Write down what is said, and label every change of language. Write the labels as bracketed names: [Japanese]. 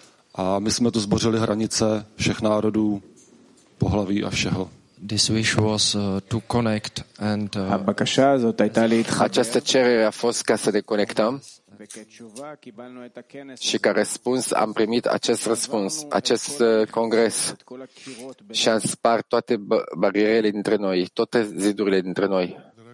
[Czech] A my jsme tu zbořili hranice všech národů, pohlaví a všeho. [English] This wish was to connect and [Romanian] această cerere a fost ca să ne conectăm și ca răspuns am primit acest răspuns, acest congres și am spart toate barierele dintre noi, toate zidurile dintre noi.